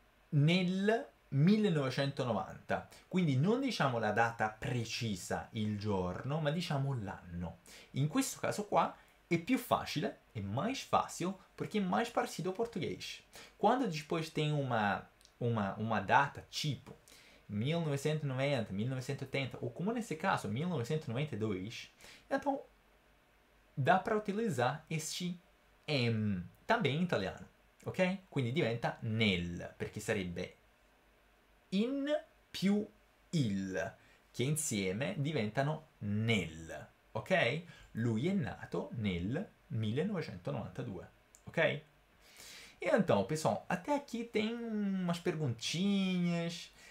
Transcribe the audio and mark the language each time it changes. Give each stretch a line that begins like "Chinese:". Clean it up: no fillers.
Italian: Nel 1990. Quindi non diciamo la data precisa, il giorno, ma diciamo l'anno. In questo caso qua è più facile,
Portuguese: è mais fácil,
Italian: perché
Portuguese: è mais parecido ao português. Quando depois tem uma data tipo 1990, 1980, ou como nesse caso, 1992, então dá para utilizar este em, também em italiano, ok?
Italian: Quindi diventa nel, perché sarebbe in più il, che insieme diventano nel, ok? Lui è nato nel 1992, ok?
Portuguese: Então, pessoal, até aqui tem umas perguntinhas.